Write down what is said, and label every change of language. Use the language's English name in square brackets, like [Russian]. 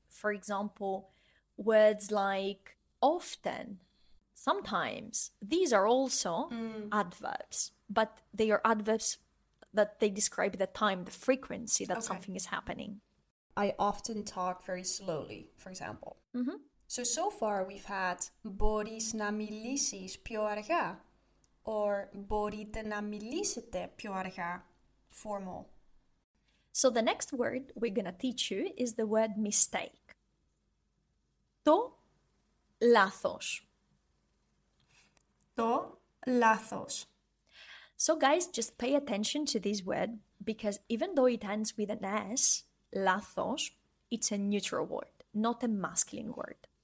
[English] For example, words like often, sometimes. These are also adverbs. But they are adverbs that they describe the time, the frequency that something is happening. I often talk very slowly, for example. Mm-hmm. So far we've had [Greek] μπορείς να μιλήσεις πιο αργά or μπορείτε να μιλήσετε πιο αργά, [English] formal. So the next word we're going to teach you is the word mistake. [Greek] Το λάθος. Το λάθος. [English] So guys, just pay attention to this word, because even though it ends with an S, λάθος, it's a neutral word, not a masculine word.